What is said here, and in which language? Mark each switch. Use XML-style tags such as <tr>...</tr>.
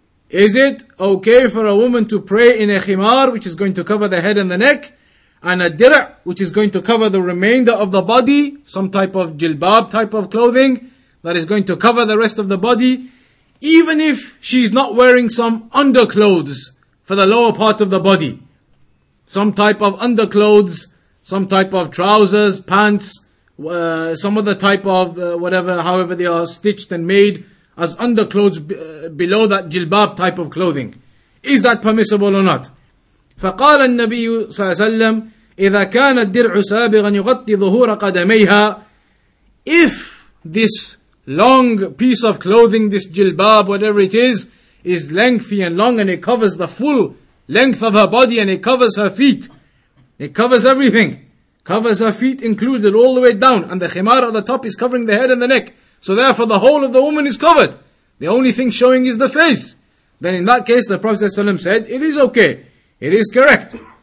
<en>Is it okay for a woman to pray in a khimar, which is going to cover the head and the neck, and a dira', which is going to cover the remainder of the body, some type of jilbab type of clothing that is going to cover the rest of the body, even if she's not wearing some underclothes for the lower part of the body? Some type of underclothes, some type of trousers, pants, some other type of whatever, however they are stitched and made as underclothes below that jilbab type of clothing. Is that permissible or not?</en> <ar>فقال النبي صلى الله عليه وسلم إذا كان الدرع سابغا يغطي ظهور قدميها.</ar> <en>If this long piece of clothing, this jilbab, whatever it is lengthy and long and it covers the full length of her body and it covers her feet, it covers everything, covers her feet included all the way down, and the khimar at the top is covering the head and the neck, so therefore the whole of the woman is covered, the only thing showing is the face, then in that case the Prophet ﷺ said it is okay. It is correct.</en>